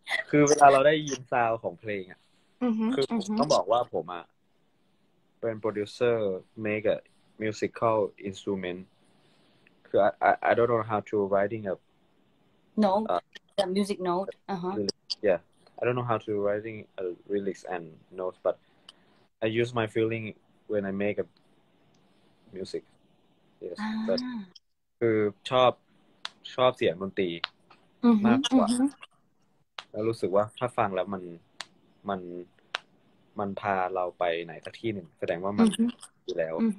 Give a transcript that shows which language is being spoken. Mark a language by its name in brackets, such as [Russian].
[Thai] คือเวลาเราได้ยินซาวของเพลงอ่ะคือต้องบอกว่าผมอ่ะเป็นโปรดิวเซอร์ [English] make a musical instrument [Thai] คือ [English] I don't know how to writing a note the music note yeahI don't know how to writing a lyrics and notes, but I use my feeling when I make a music. Yes, but [Thai] คือชอบเสียงดนตรีมากกว่าแล้วรู้สึกว่าถ้าฟังแล้วมันพาเราไปไหนสักที่หนึ่งแสดงว่ามันดีแล้ว